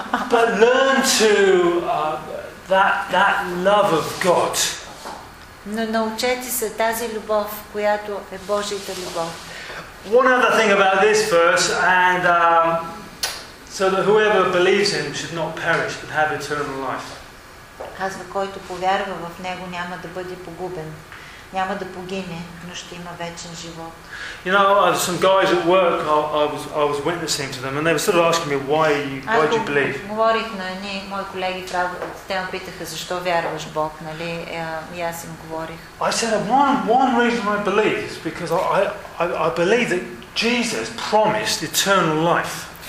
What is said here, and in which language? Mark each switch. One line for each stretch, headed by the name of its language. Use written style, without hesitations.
English: But learn to that love of God.
Bulgarian: Но научете се тази любов, която е Божията любов.
English: One other thing about this verse, and so that whoever believes in him should not perish but have eternal life.
Bulgarian: Казва, който повярва в него, няма да бъде погубен, няма да погине, но ще има вечен живот.
English: You know, some guys at work, I was witnessing to them, and they were sort of asking me, why do you believe?
Bulgarian: Говорих на едни мои колеги в работата, те ме питаха, защо вярваш Бог, нали? И аз им говорих.
English: I said, one reason I believe is because I believe that Jesus promised eternal life.